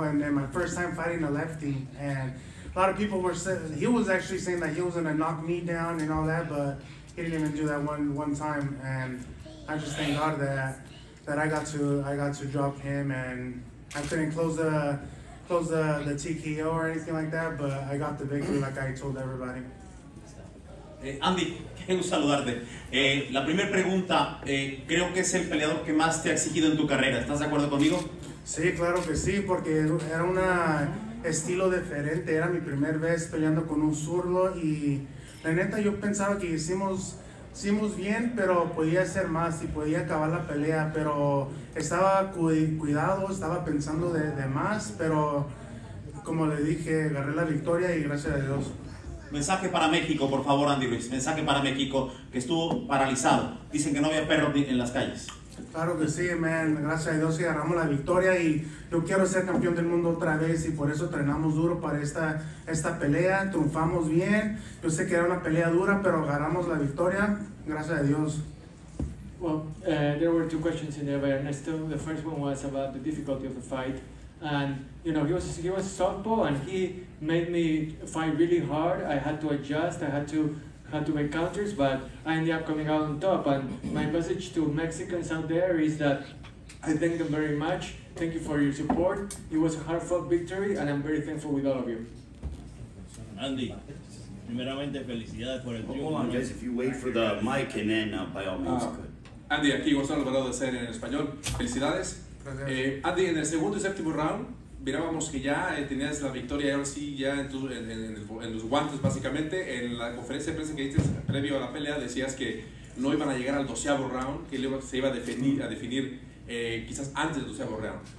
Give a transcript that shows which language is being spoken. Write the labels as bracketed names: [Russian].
[English] And then my first time fighting a lefty, and a lot of people were saying, he was actually saying that he was gonna knock me down and all that, but he didn't even do that one time. And I just thank God that I got to drop him, and I couldn't close the TKO or anything like that, but I got the victory like I told everybody. [Spanish] Andy, qué gusto saludarte. La primera pregunta, creo que es el peleador que más te ha exigido en tu carrera. ¿Estás de acuerdo conmigo? Sí, claro que sí, porque era un estilo diferente. Era mi primera vez peleando con un zurdo y la neta yo pensaba que hicimos bien, pero podía hacer más y podía acabar la pelea. Pero estaba cuidado, estaba pensando de más, pero como le dije, agarré la victoria y gracias a Dios. Mensaje para México, por favor, Andy Ruiz. Mensaje para México, que estuvo paralizado. Dicen que no había perros en las calles. Claro que sí, man. Gracias a Dios que agarramos la victoria. Y yo quiero ser campeón del mundo otra vez. Y por eso entrenamos duro para esta pelea. Triunfamos bien. Yo sé que era una pelea dura, pero agarramos la victoria. Gracias a Dios. [English] There were two questions in there by Ernesto. The first one was about the difficulty of the fight. And you know, he was softball, and he made me fight really hard. I had to adjust. I had to make counters, but I ended up coming out on top. And my message to Mexicans out there is that I thank them very much. Thank you for your support. It was a hard fought victory, and I'm very thankful with all of you. [Spanish] Andy, primeramente felicidades por el triunfo. [English] Hold on, guys. If you wait for the mic, and then by all means. [Spanish] Andy, aquí Gonzalo Alvarado de CNN en español. Felicidades. Andy, en el segundo y séptimo round, mirábamos que ya tenías la victoria, ahora sí, ya en los guantes, básicamente. En la conferencia de prensa que dices previo a la pelea, decías que no iban a llegar al doceavo round, que se iba a definir quizás antes del doceavo round.